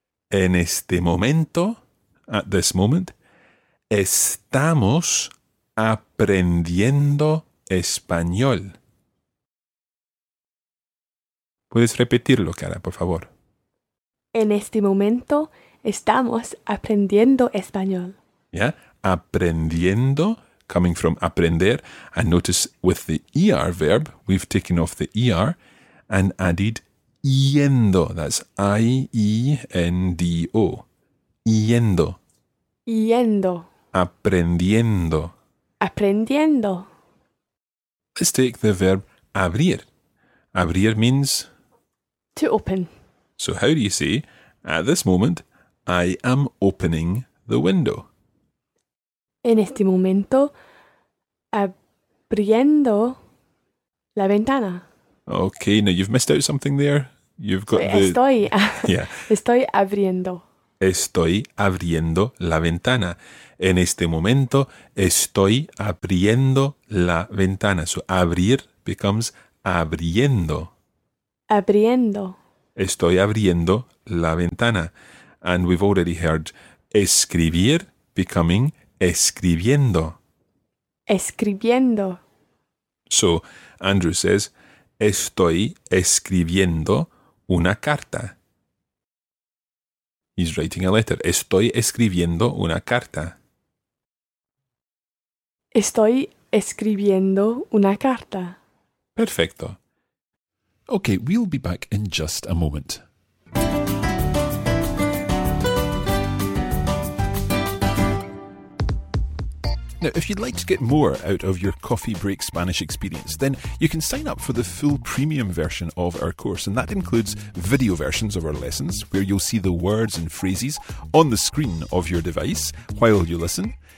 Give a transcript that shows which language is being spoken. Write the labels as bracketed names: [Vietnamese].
[Spanish] En este momento, [English] at this moment, [Spanish] estamos aprendiendo español. ¿Puedes repetirlo, Cara, por favor? En este momento, estamos aprendiendo español. [English] Yeah, aprendiendo, coming from aprender. And notice with the ER verb, we've taken off the ER and added yendo. That's I-E-N-D-O. Yendo. [Spanish] Yendo. Aprendiendo. Aprendiendo. [English] Let's take the verb abrir. Abrir means... to open. So how do you say, at this moment, I am opening the window? [Spanish] En este momento, abriendo la ventana. [English] Okay, now you've missed out something there. You've got [Spanish] the... Estoy abriendo. Estoy abriendo la ventana. En este momento, estoy abriendo la ventana. [English] So, abrir becomes abriendo. [Spanish] Abriendo. Estoy abriendo la ventana. [English] And we've already heard escribir becoming escribiendo. [Spanish] Escribiendo. [English] So, Andrew says, [Spanish] estoy escribiendo una carta. [English] He's writing a letter. [Spanish] Estoy escribiendo una carta. Estoy escribiendo una carta. Perfecto. [English] Okay, we'll be back in just a moment. Now, if you'd like to get more out of your Coffee Break Spanish experience, then you can sign up for the full premium version of our course, and that includes video versions of our lessons, where you'll see the words and phrases on the screen of your device while you listen.